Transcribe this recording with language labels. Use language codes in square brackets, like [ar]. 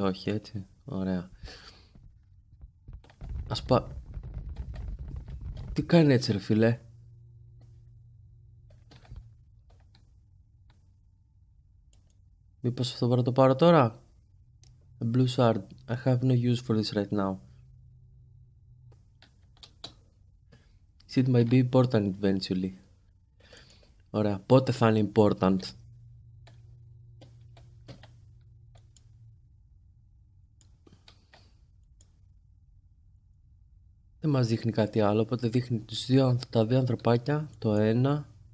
[el] Όχι, έτσι. Ωραία. Ας πα... Τι κάνει έτσι ρε φίλε? Μήπως αυτό μπορώ να το πάρω τώρα? [en] A blue shard. I have no use for this right now. It might be important eventually. [el] Ωραία, πότε θα είναι important? Δεν μας δείχνει κάτι άλλο. Οπότε δείχνει τους δύο, τα δύο ανθρωπάκια. Το ένα.